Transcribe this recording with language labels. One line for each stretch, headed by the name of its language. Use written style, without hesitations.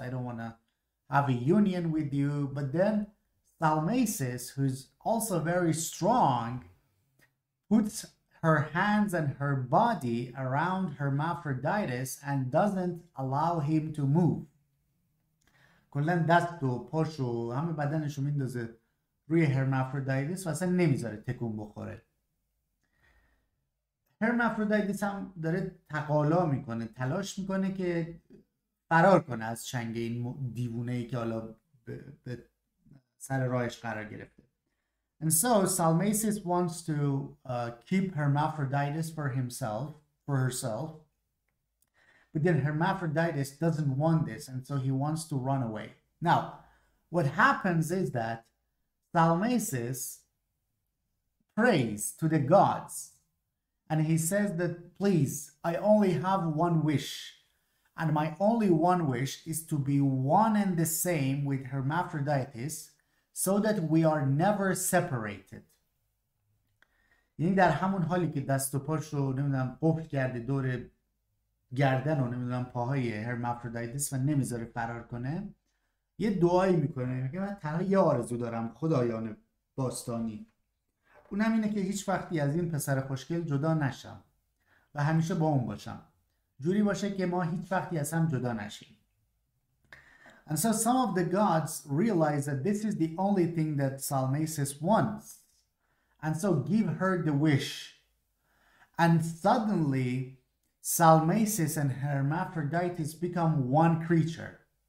English: I don't want to have a union with you. But then Salmasis, who's also very strong, puts her hands and her body around Hermaphroditus and doesn't allow him to move.
Persian: کلن دست و پاش و همه بدنش رو میندازه روی هرمافرودایتیس و اصلا نمیذاره تکون بخوره. هرمافرودایتیس هم داره تقالا میکنه، تلاش میکنه که فرار کنه از چنگ این دیوونه ای که حالا به سر راهش قرار گرفته.
English: And so Salmasis wants to keep Hermaphroditus for himself, for herself. But then Hermaphroditus doesn't want this, and so he wants to run away. Now, what happens is that Salmasis prays to the gods, and he says that, please, I only have one wish, and my only one wish is to be one and the same with Hermaphroditus, so that we are never separated.
Persian: یعنی در همون حالی که دست و پاش رو نمیدونم قفل کرده دور گردن و نمیدونم پاهای هرمافرودایتس و نمیذاره فرار کنه، یه دعایی میکنه که من تنها یه آرزو دارم خدایان باستانی، اونم اینه که هیچ وقتی از این پسر خوشگل جدا نشم و همیشه با اون باشم، جوری باشه که ما هیچ وقتی از هم جدا نشیم.
English: And so some of the gods realize that this is the only thing that Salmasis wants, and so give her the wish. And suddenly, Salmasis and Hermaphroditus become one creature.